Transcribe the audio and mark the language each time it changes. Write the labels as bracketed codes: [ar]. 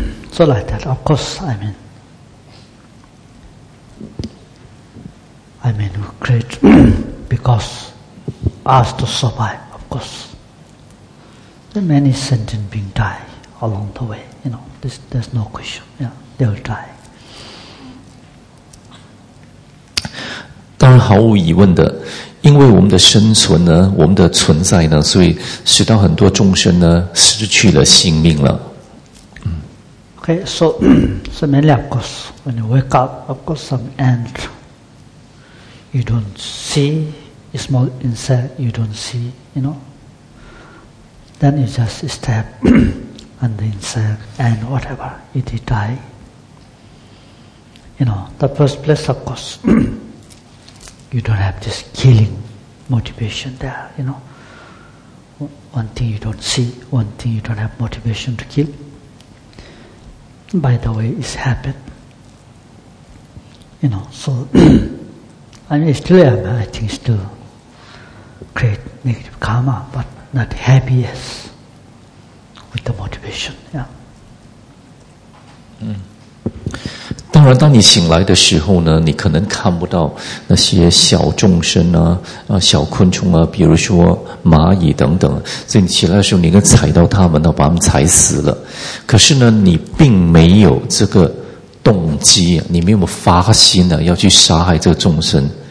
[en] So like that, of course, I mean, we create because us to survive, of course. There are many sentient beings die along the way, you know, there's no question, yeah, they will die. [zh] 当然毫无疑问的，因为我们的生存呢，我们的存在呢，所以使到很多众生呢，失去了性命了。 [en] Okay, so many, of course, when you wake up, of course, some ant. You don't see a small insect, you don't see, you know. Then you just step on the insect and whatever, it will die. You know, the first place, of course, you don't have this killing motivation there, you know. One thing you don't see, one thing you don't have motivation to kill. By the way, it's happened. You know, so... I mean, still create negative karma, but not happiness with the motivation. Yeah. [zh] 当然，当你醒来的时候呢，你可能看不到那些小众生啊、小昆虫啊，比如说蚂蚁等等。所以你起来的时候，你应该踩到它们，然后把它们踩死了。可是呢，你并没有这个动机，你没有发心呢，要去杀害这个众生。